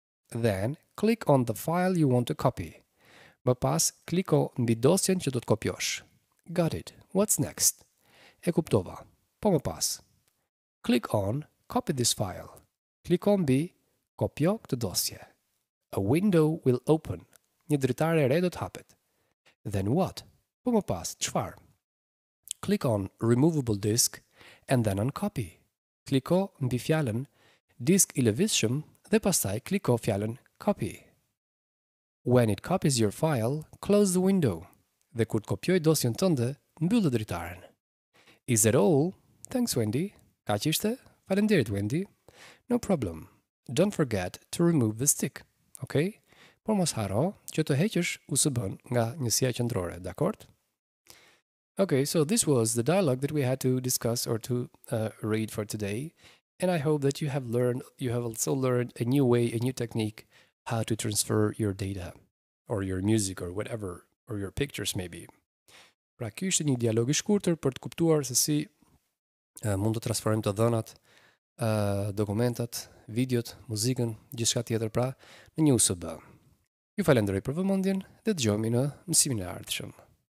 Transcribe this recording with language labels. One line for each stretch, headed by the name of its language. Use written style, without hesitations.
English: Then, click on the file you want to copy.
Albanian: Më pas, kliko mbi dosjen që do të kopjosh.
English: Got it. What's next?
Albanian: E kuptova. Po më pas.
English: Click on copy this file.
Albanian: Kliko mbi kopjo këtë dosje.
English: A window will open.
Albanian: Një dritare e re do të hapet.
English: Then what?
Albanian: Po më pas, çfarë?
English: Click on removable disk and then on copy.
Albanian: Kliko mbi fjalën disk i lëvizshëm dhe pastaj kliko fjalën copy.
English: When it copies your file, close the window.
Albanian: Dhe kur të kopjoj dosjen tënde, mbyll dritaren.
English: Is that all? Thanks, Wendy.
Albanian: Kaq ishte? Faleminderit, Wendy.
English: No problem. Don't forget to remove the stick. Okay?
Albanian: Por mos haro që të heqësh USB-n nga njësia qendrore, d'akord?
English: Okay, so this was the dialogue that we had to discuss or to read for today. And I hope that you have also learned a new way, a new technique, how to transfer your data or your music or whatever, or your pictures maybe.
Albanian: Pra, kjo ishte një dialog i shkurtër për të kuptuar se si mund të transferojmë të dhënat, dokumentat, videot, muzikën, gjithçka tjetër pra, në një USB. Ju falenderoj për vëmendjen dhe dëgjohemi në mësimin e ardhshëm.